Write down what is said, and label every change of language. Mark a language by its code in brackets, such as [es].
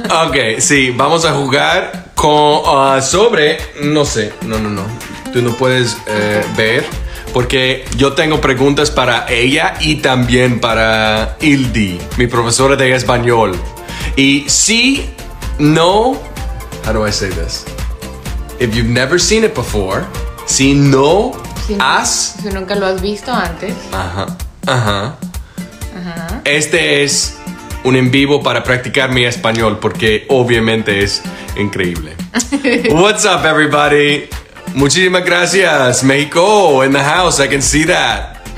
[es] Ok, sí, vamos a jugar con sobre, no sé, no. Tú no puedes ver porque yo tengo preguntas para ella y también para Ildi, mi profesora de español. Y si no, [en] how do I say this? If you've never seen it before, [es] si no, has... Si nunca lo has visto antes. Ajá. Este es... un en vivo para practicar mi español porque obviamente es increíble. [en] What's up, everybody? [es] Muchísimas gracias. [en] México, in the house, I can see that.